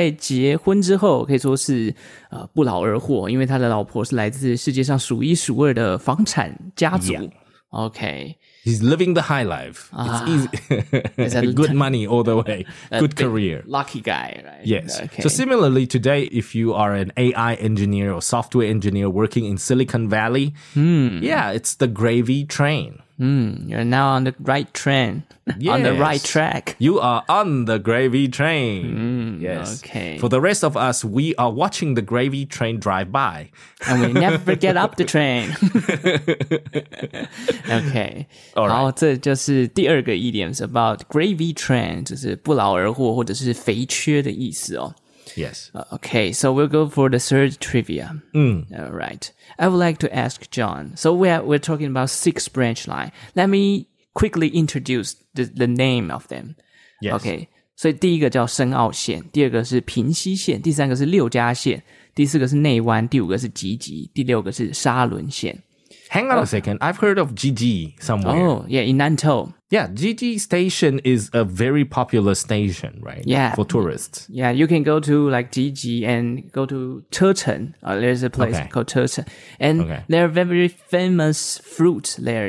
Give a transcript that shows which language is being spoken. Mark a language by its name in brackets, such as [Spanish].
[Chinese] 所以这句话如果翻成中文大概就是杰克在结婚之后可以说是不劳而获, 因为他的老婆是来自世界上数一数二的房产家族。 [English] Yeah. Okay. He's living the high life. It's easy. Good money all the way. Good career. Lucky guy, right? Yes. Okay. So similarly, today, if you are an AI engineer or software engineer working in Silicon Valley, yeah, it's the gravy train. You're now on the right train. Yes. On the right track. You are on the gravy train. Yes. Okay. For the rest of us, we are watching the gravy train drive by. And we never get up the train. Okay. All right. [Chinese] 好，这就是第二个 [English] idioms about gravy train, [Chinese] 就是不劳而获或者是肥缺的意思哦。 [English] Yes. Okay, so we'll go for the third trivia. All right. I would like to ask John. So we're talking about six branch line. Let me quickly introduce the name of them. Yes. Okay. [Chinese] 所以第一个叫申奥线，第二个是平溪线，第三个是六家线，第四个是内湾，第五个是吉吉，第六个是沙仑线。 [English] Hang on a second. I've heard of Gigi somewhere. Oh, yeah, in Nantou. Yeah, Gigi Station is a very popular station, right? Yeah. For tourists. Yeah, you can go to like Gigi and go to Cheshun. There's a place called Cheshun. And there are very famous fruit there.